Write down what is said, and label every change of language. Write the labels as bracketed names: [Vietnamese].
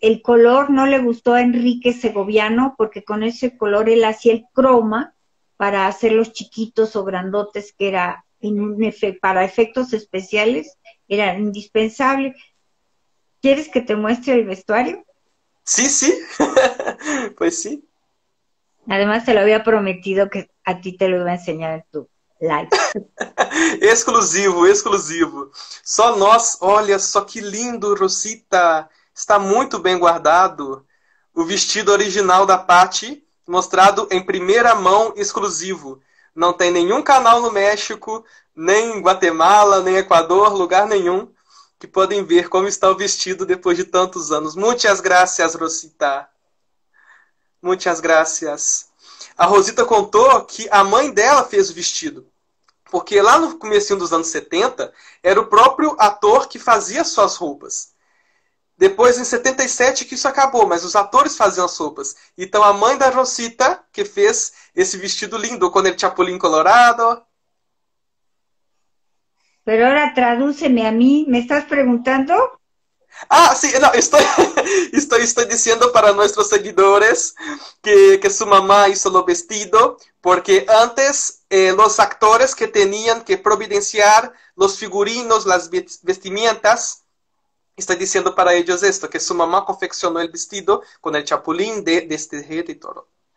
[Spanish] El color no le gustó a Enrique Segoviano porque con ese color él hacía el croma para hacerlos chiquitos o grandotes, que era para efectos especiales, era indispensable. ¿Quieres que te muestre el vestuario? Sí, pues sí. Además, te lo había prometido que a ti te lo iba a enseñar en tu live. Exclusivo, exclusivo. [Portuguese] Só nós, olha só que lindo, Rosita. Está muito bem guardado. O vestido original da Patty, mostrado em primeira mão, exclusivo. Não tem nenhum canal no México, nem Guatemala, nem Equador, lugar nenhum. Que podem ver como está o vestido depois de tantos anos. [Spanish] Muchas gracias, Rosita. Muchas gracias. [Portuguese] A Rosita contou que a mãe dela fez o vestido. Porque lá no comecinho dos anos 70, era o próprio ator que fazia suas roupas. Depois, em 77, que isso acabou, mas os atores faziam as roupas. Então, a mãe da Rosita, que fez esse vestido lindo, quando ele tinha Chapulín Colorado. [Spanish] Pero ahora tradúceme a mí, ¿me estás preguntando? Ah, sí, no, estoy diciendo para nuestros seguidores que su mamá hizo lo vestido, porque antes los actores que tenían que providenciar los figurinos, las vestimentas, estoy diciendo para ellos esto, que su mamá confeccionó el vestido con el chapulín de este rey y todo.